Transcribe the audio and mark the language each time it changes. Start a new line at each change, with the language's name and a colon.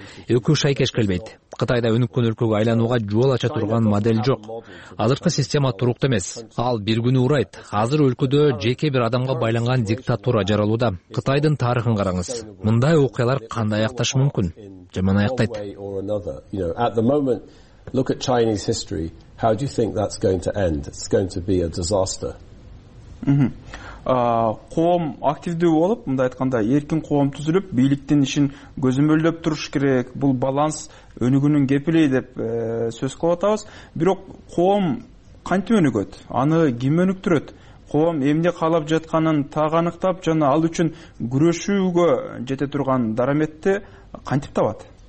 Kyrgyz: Экөө шайкеш келбейт. Кытайда өнүккөн өлкөгө айланууга жол ача турган модель жок. Азыркы система туруктуу эмес. Ал бир күнү урайт. Азыр өлкөдө жеке бир адамга байланган диктатура жаралууда. Кытайдын тарыхын караңыз. Мындай окуялар кандай аякташы мүмкүн? Жаман аяктайт.
English: Look at Chinese history. How do you think that's going to end? It's going to be a disaster.
Kyrgyz: Коом активдүү болуп, мындай айтканда эркин коом түзүлүп, бийликтин ишин көзөмөлдөп туруш керек. Бул баланс өнүгүүнүн кепили деп сөз кылып атабыз. Бирок коом кантип өнүгөт? Аны ким өнүктүрөт? Коом эмне каалап жатканын так аныктап жана ал үчүн күрөшүүгө жете турган дараметти кантип табат?